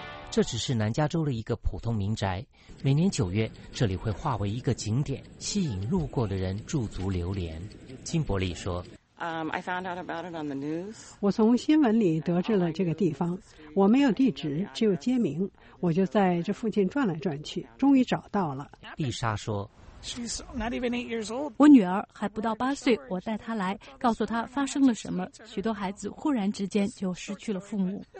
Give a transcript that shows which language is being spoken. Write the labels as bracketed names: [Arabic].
[Chinese] 这只是南加州的一个普通民宅，每年九月这里会化为一个景点，吸引路过的人驻足流连。金伯利说， [English] I found out about it on the news. [Chinese] 我从新闻里得知了这个地方，我没有地址，只有街名，我就在这附近转来转去，终于找到了。丽莎说，我女儿还不到8岁，我带她来，告诉她发生了什么。许多孩子忽然之间就失去了父母。